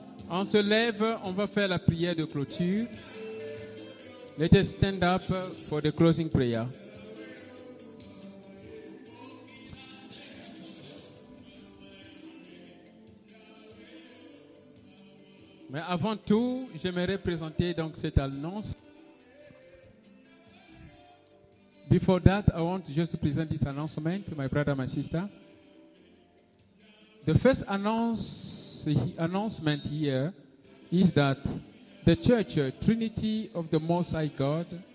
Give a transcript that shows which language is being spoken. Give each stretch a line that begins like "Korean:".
French: On se lève, on va faire la prière de clôture.
English: Let us stand up for the closing prayer.
French: Mais avant tout, j'aimerais présenter donc cette annonce.
English: Before that, I want just to present this announcement to my brother, my sister. The first announcement here is that the Church, Trinity of the Most High God,